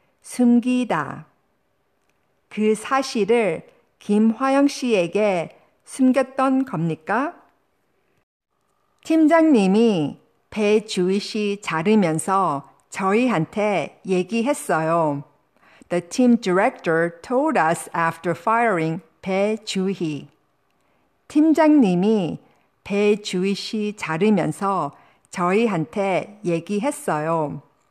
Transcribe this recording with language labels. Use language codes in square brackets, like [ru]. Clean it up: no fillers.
[ko] 숨기다. 그 사실을 김화영 씨에게 숨겼던 겁니까? 팀장님이 배주희 씨 자르면서 저희한테 얘기했어요. [en] The team director told us after firing 배주희. [ko] 팀장님이 배 주윗이 자르면서 저희한테 얘기했어요.